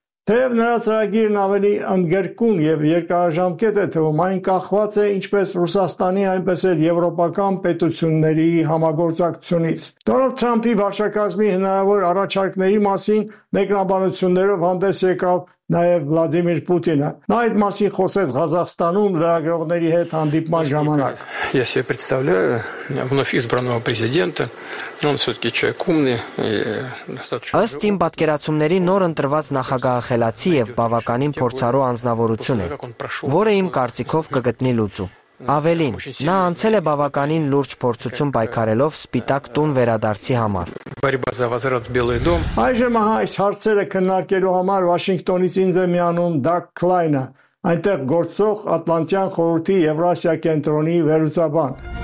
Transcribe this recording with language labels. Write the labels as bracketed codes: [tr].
[hy] Թեև նրա ծրագիրն ավելի ընդգրկուն և երկարաժամկետ է թվում, այն կախված է ինչպես Ռուսաստանի, այնպես էլ եվրոպական պետությունների համագործակցությունից։ Դոնալդ Թրամփի վարչակազմի հնարավոր առաջարկների մասին մեկնաբանություններով հանդես եկավ նաև Վլադիմիր Պուտինը։ Նա այդ մասին խոսեց Ղազախստանում լրագրողների հետ հանդիպման ժամանակ։ [ru] Ես себе представляю вновь избранного президента. Он всё-таки человек умный и достаточно. [hy] Ըստ իմ պատկերացումների նոր ընտրված նախագահը խելացի եւ բավականին փորձառու անձնավորություն է, որը իմ կարծիքով կգտնի լուծում։ Ավելին, նա անցել է բավականին լուրջ փորձություն պայքարելով Սպիտակ տուն վերադարձի համար։ Այժմ ահա այս հարցերը քննարկելու համար Վաշինգտոնից ինձ է միանում Դակ Քլայնը, այնտեղ գործող Ատլանտյան խորհրդի Եվրասիա կենտրոնի վերուցաբան։